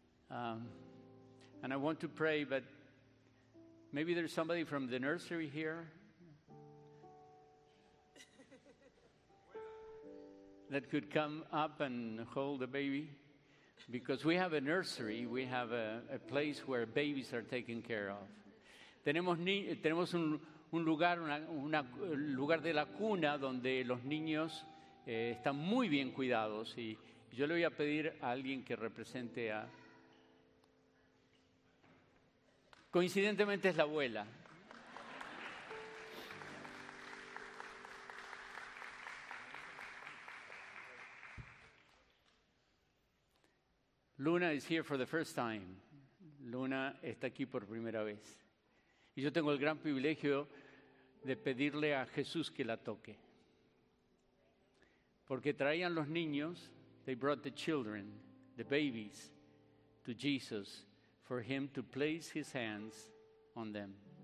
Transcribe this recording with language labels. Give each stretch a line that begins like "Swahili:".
English: And I want to pray, but maybe there's somebody from the nursery here that could come up and hold the baby. Because we have a nursery, we have a place where babies are taken care of.
Spanish: Tenemos un lugar de la cuna donde los niños están muy bien cuidados. Y yo le voy a pedir a alguien que represente a... Coincidentemente es la abuela.
English: Luna is here for the first time.
Spanish: Luna está aquí por primera vez. Y yo tengo el gran privilegio de pedirle a Jesús que la toque. Porque traían los niños,
English: they brought the children, the babies, to Jesus for him to place his hands on them.